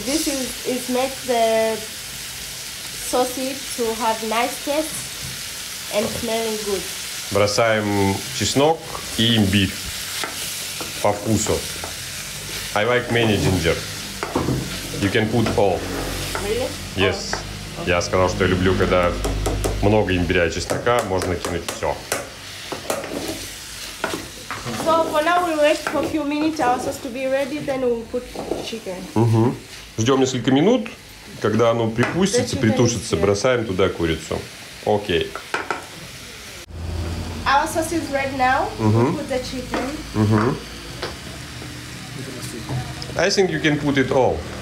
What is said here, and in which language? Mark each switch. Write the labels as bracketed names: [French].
[English] This is it makes the sausage to have nice taste and smelling good. [Russian] Бросаем чеснок и имбирь по вкусу. [English] I like many ginger. You can put all. Really? Yes. [Russian] Okay. Я сказал, что я люблю, когда много имбиря и чеснока, можно кинуть все. [English] So for now we wait for a few minutes, our sauce to be ready, then we'll put chicken. Угу. [Russian] Ждем несколько минут, когда оно припустится, притушится, бросаем туда курицу. Окей. [English] Our sauce is ready now. Угу. Put the chicken. Угу. I think you can put it all.